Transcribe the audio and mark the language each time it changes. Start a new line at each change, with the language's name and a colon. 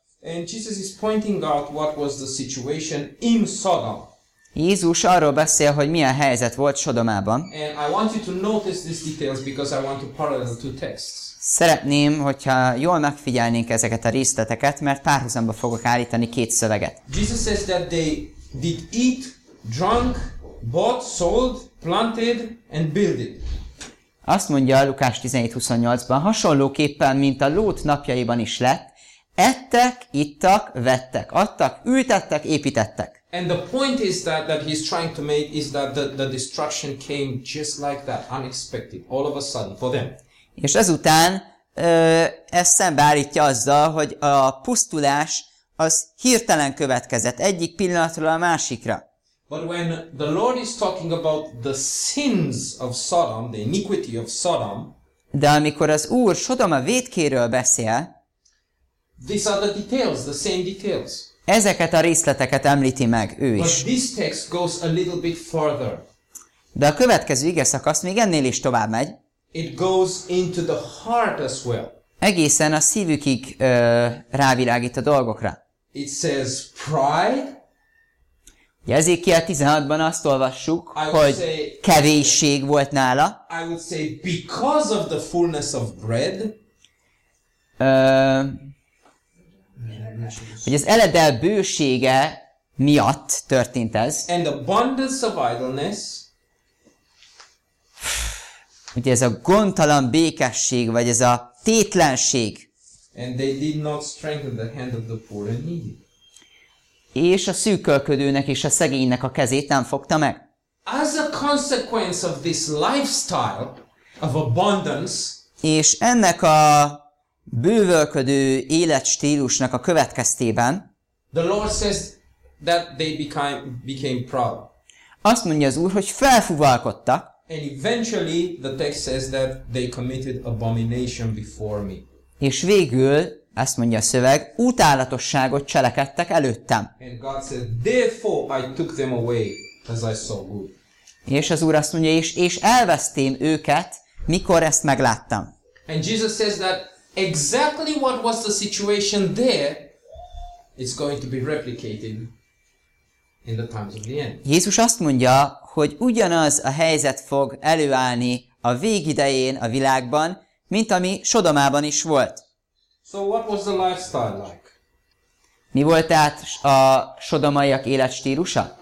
English: And Jesus is pointing out what was the situation in Sodom.
Hungarian: Jézus arról beszél, hogy milyen helyzet volt Sodomában.
English: And I want you to notice these details because I want to parallel the two texts.
Hungarian: Szeretném, hogyha jól megfigyelnénk ezeket a részleteket, mert párhuzamba fogok állítani két szöveget.
English: Jesus says that they did eat, drunk, bought, sold, planted and built it.
Hungarian: Azt mondja Lukás 17:28-ban, hasonlóképpen, mint a Lót napjaiban is lett, ettek, ittak, vettek, adtak, ültettek, építettek.
English: And the point is that he's trying to make is that the destruction came just like that, unexpected, all of a sudden for them.
Hungarian: És ezután ez szembeállítja azzal, hogy a pusztulás az hirtelen következett egyik pillanatról a másikra.
English: But when the Lord is talking about the sins of Sodom, the iniquity of Sodom,
Hungarian: de amikor az Úr Sodoma vétkéről beszél,
English: these are the details, the same details.
Hungarian: Ezeket a részleteket említi meg ő is.
English: But this text goes a little bit further.
Hungarian: De a következő igeszakasz még ennél is tovább megy.
English: It goes into the heart as well.
Hungarian: Egészen a szívükig rávilágít a dolgokra.
English: It says pride.
Hungarian: Ezékiel 16-ban azt olvassuk, hogy kevésség volt nála.
English: I would say because of the fullness of bread.
Hungarian: Hogy az eledel bősége miatt történt ez.
English: And abundance of idleness.
Hungarian: Ugye ez a gondtalan békesség, vagy ez a tétlenség.
English: And they did not strengthen the hand of the poor and needy.
Hungarian: És a szűkölködőnek és a szegénynek a kezét nem fogta meg.
English: As a consequence of this lifestyle of abundance,
Hungarian: és ennek a bővölködő életstílusnak a következtében,
English: the Lord says that they became proud.
Hungarian: Azt mondja az Úr, hogy felfuvalkodtak.
English: And eventually the text says that they committed abomination before me.
Hungarian: És végül azt mondja a szöveg, utálatosságot cselekedtek előttem.
English: And God said, therefore I took them away as I saw good.
Hungarian: És az Úr azt mondja, és elvesztém őket, mikor ezt megláttam.
English: And Jesus says that exactly what was the situation there is going to be replicated in the times of the end.
Hungarian: Jézus azt mondja, hogy ugyanaz a helyzet fog előállni a végidején a világban, mint ami Sodomában is volt.
English: So what was the lifestyle like?
Hungarian: Mi volt tehát a sodomaiak életstílusa?